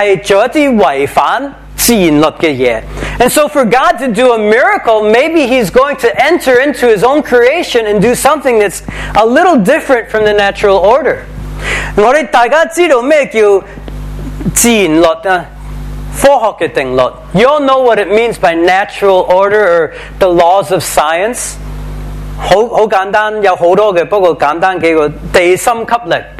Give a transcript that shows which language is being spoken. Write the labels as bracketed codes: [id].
[zh] 但是当神做一个神迹的时候，他就要是入到世界，是做一些违反自然律的事。 [en] And so for God to do a miracle, maybe He's going to enter into His own creation and do something that's a little different from the natural order. [zh] 我们大家知道什么叫自然律呢？科学的定律。 [en] You all know what it means by natural order or the laws of science? [zh] 很简单，有很多的，不过简单几个，地心吸力。